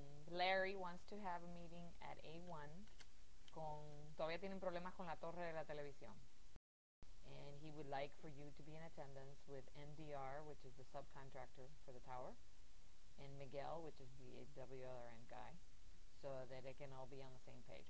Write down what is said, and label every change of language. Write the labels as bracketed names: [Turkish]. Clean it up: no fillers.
[English] Larry wants to have a meeting at A1. [Spanish] Todavía tienen problemas con la torre de la televisión. [English] And he would like for you to be in attendance with NDR, which is the subcontractor for the tower, and Miguel, which is the WLRN guy, so that they can all be on the same page.